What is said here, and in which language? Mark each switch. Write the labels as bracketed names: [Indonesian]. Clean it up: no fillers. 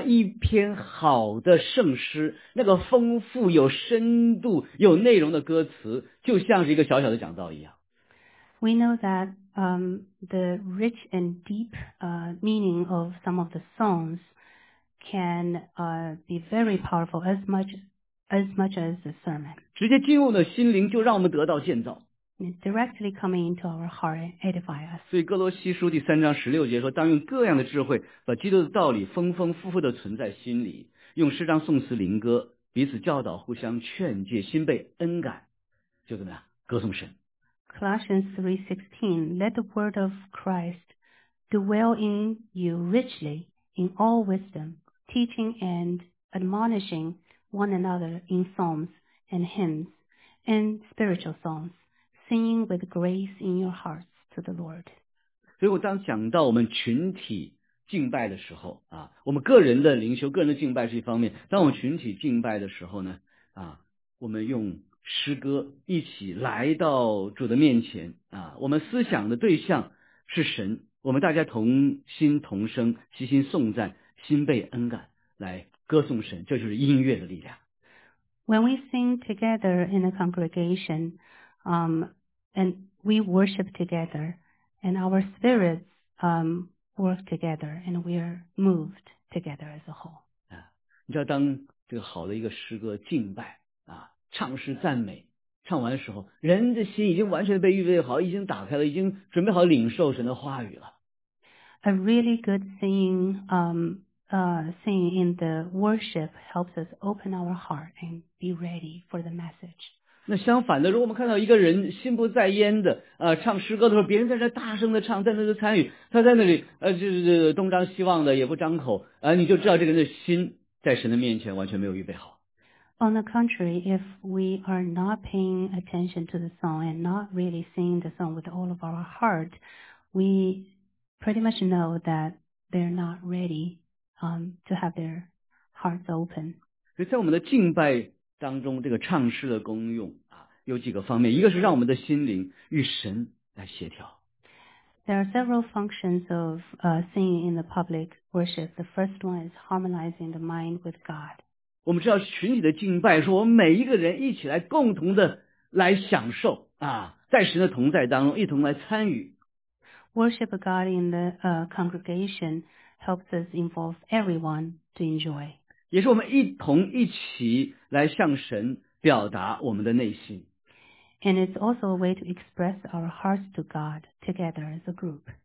[Chinese] 一篇好的圣诗，那个丰富、有深度、有内容的歌词，就像是一个小小的讲道一样。 [English] We know that the rich and deep meaning of some of the songs can be very powerful as much as the sermon. [Chinese] 直接进入的心灵就让我们得到建造。 [English] Directly coming into our heart and edify us. [Chinese] 所以哥罗西书第三章十六节说，当用各样的智慧把基督的道理丰丰富富的存在心里，用诗章颂词灵歌彼此教导互相劝诫，心被恩感，就怎么样歌颂神。 [English] Colossians 3:16, let the word of Christ dwell in you richly in all wisdom, teaching and admonishing one another in psalms and hymns and spiritual songs, singing with grace in your hearts to the Lord. [Chinese] 所以我当想到我们群体敬拜的时候啊，我们个人的灵修、个人的敬拜是一方面，当我们群体敬拜的时候呢，啊，我们用诗歌一起来到主的面前啊，我们思想的对象是神，我们大家同心同声，齐心颂赞，心被恩感，来歌颂神，这就是音乐的力量。 [English] When we sing together in a congregation, and we worship together, and our spirits work together, and we are moved together as a whole. [Chinese] 你知道，当这个好的一个诗歌敬拜啊，唱诗赞美，唱完的时候，人的心已经完全被预备好，已经打开了，已经准备好领受神的话语了。 [English] A really good singing, singing in the worship helps us open our heart and be ready for the message. [Chinese] 那相反的，如果我们看到一个人心不在焉的唱诗歌的时候，别人在那大声的唱，在那参与，他在那里东张西望的，也不张口你就知道这个人的心在神的面前完全没有预备好。 [English] On the contrary, if we are not paying attention to the song and not really singing the song with all of our heart, we pretty much know that they're not ready to have their hearts open. [Chinese] 所以在我们的敬拜当中，这个唱诗的功用啊，有几个方面，一个是让我们的心灵与神来协调。 [English] There are several functions of singing in the public worship. The first one is harmonizing the mind with God. [Chinese] 我们知道群体的敬拜是我们每一个人一起来共同的来享受啊，在神的同在当中一同来参与。 [English] Worship God in the congregation helps us involve everyone to enjoy. [Chinese] 也是我们一同一起来向神表达我们的内心。 [English] And it's also a way to express our hearts to God together as a group.